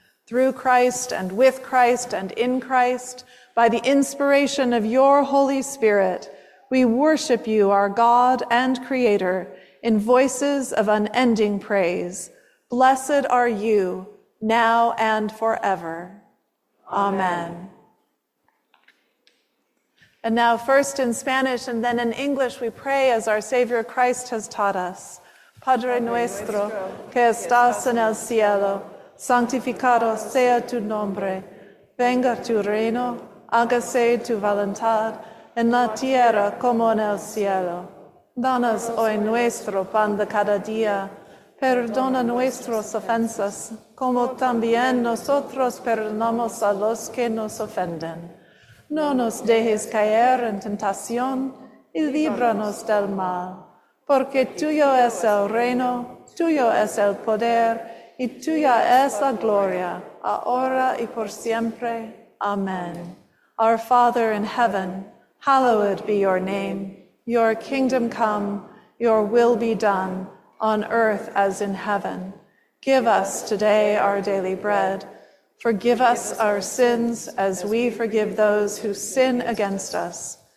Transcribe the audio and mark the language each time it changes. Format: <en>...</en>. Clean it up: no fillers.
<en>Through Christ and with Christ and in Christ, by the inspiration of your Holy Spirit, we worship you, our God and Creator, in voices of unending praise. Blessed are you, now and forever. Amen. Amen. And now, first in Spanish and then in English, we pray as our Savior Christ has taught us.</en> <es>Padre nuestro, que estás en el cielo, santificado sea tu nombre. Venga tu reino, hágase tu voluntad, en la tierra como en el cielo. Danos hoy nuestro pan de cada día. Perdona nuestras ofensas, como también nosotros perdonamos a los que nos ofenden. No nos dejes caer en tentación y líbranos del mal. Porque tuyo es el reino, tuyo es el poder y tuya es la gloria, ahora y por siempre. Amen.</es> <en>Our Father in heaven, hallowed be your name. Your kingdom come, your will be done, on earth as in heaven. Give us today our daily bread. Forgive us our sins as we forgive those who sin against us.</en>